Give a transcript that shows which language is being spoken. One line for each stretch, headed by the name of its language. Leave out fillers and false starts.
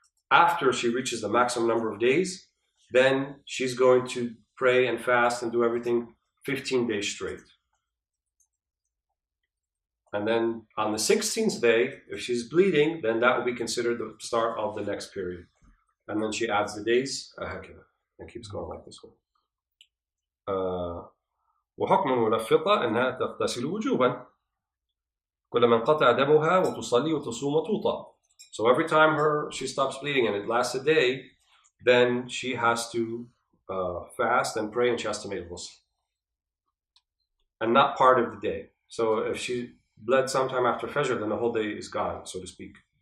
English: After she reaches the maximum number of days, then she's going to pray and fast and do everything 15 days straight. And then on the 16th day, if she's bleeding, then that will be considered the start of the next period. And then she adds the days and keeps going like this one.
Arabic: وحكم الملفقة أنها تغتسل وجوبا كلما انقطع دمها وتصلي وتصوم وتوطى.
English: So every time she stops bleeding and it lasts a day, then she has to fast and pray and she has to make ghusl. And not part of the day. So if she bled sometime after Fajr, then the whole day is gone, so to speak.